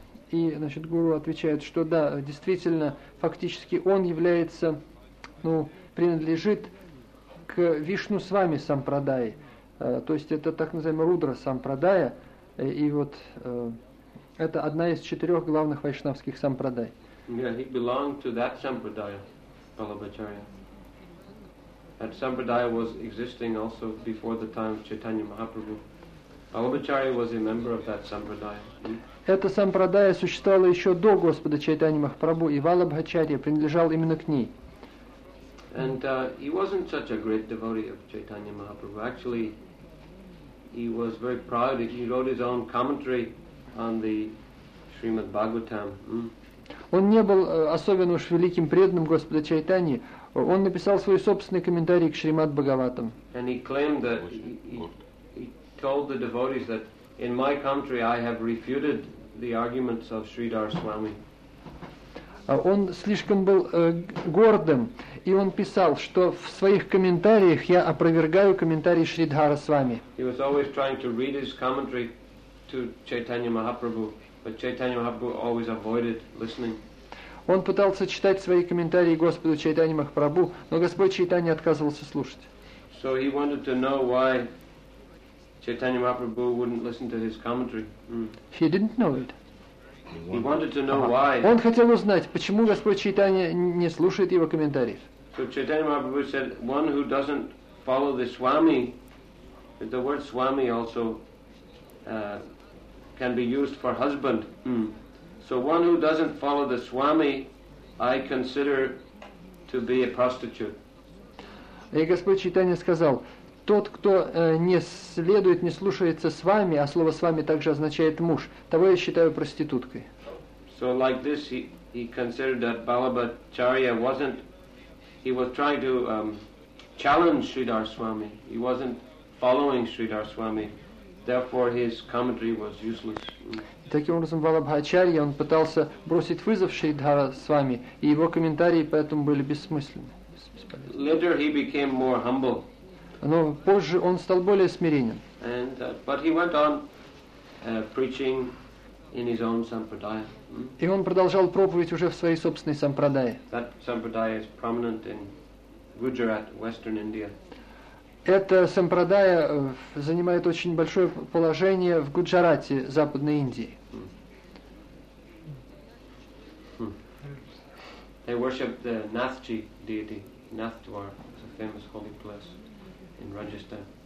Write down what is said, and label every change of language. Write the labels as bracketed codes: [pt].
[ru] И, значит, гуру отвечает, что да, действительно, фактически он является, принадлежит к Вишну с вами Сампрадай. То есть это так называемая Рудра Сампрадая. И вот... Это одна из четырех главных вайшнавских сампрадай. [en] Yeah, he belonged to that sampradaya, Vallabhacharya. That sampradaya was existing also before the time of Chaitanya Mahaprabhu. Vallabhacharya was a member of that sampradaya. [ru] Эта сампрадая существовала еще до Господа Чайтани Махапрабху, и Валабхачарья принадлежал именно к ней. [en] And he wasn't such a great devotee of Chaitanya Mahaprabhu. Actually, he was very proud. He wrote his own commentary on the Srimad Bhagavatam. [ru] Он не был особенно уж великим преданным Господа Чайтаньи. Он написал свой собственный комментарий к Шримад Бхагаватам. [en] And he claimed that he told the devotees that in my country I have refuted the arguments of Sridhar Swami. [ru] Он слишком был гордым, и он писал, что в своих комментариях я опровергаю комментарии Шридхара Свами. [en] He was always trying to read his commentary to Chaitanya Mahaprabhu, but Chaitanya Mahaprabhu always avoided listening. [ru] Он пытался читать свои комментарии Господу Чайтанья Махапрабху, но Господь Чайтанья отказывался слушать. [en] So he wanted to know why Chaitanya Mahaprabhu wouldn't listen to his commentary. He didn't know it. He wanted to know why. [ru] Он хотел узнать, почему Господь Чайтанья не слушает его комментариев. [en] So Chaitanya Mahaprabhu said, one who doesn't follow the Swami, the word Swami also can be used for husband. So one who doesn't follow the Swami, I consider to be a prostitute. [ru] И Господь Чайтанья сказал, тот, кто не следует, не слушается Свами, а слово Свами также означает муж, того я считаю проституткой. [en] So like this, he considered that Vallabhacharya wasn't, he was trying to challenge Sridhar Swami. He wasn't following Sridhar Swami. Therefore, his commentary was useless. [ru] Таким образом, Валабхачарья, он пытался бросить вызов Шридхара с вами, и его комментарии поэтому были бессмысленны. [en] Later he became more humble. [ru] Но позже он стал более смиренен. [en] And, but he went on preaching in his own sampradaya. [ru] И он продолжал проповедь уже в своей собственной сампрадае. [en] That sampradaya is prominent in Gujarat, western India. [ru] Эта сампрадая занимает очень большое положение в Гуджарате, Западной Индии. [en] They worship the Nathji deity. Nathdwar is a famous holy place in Rajasthan.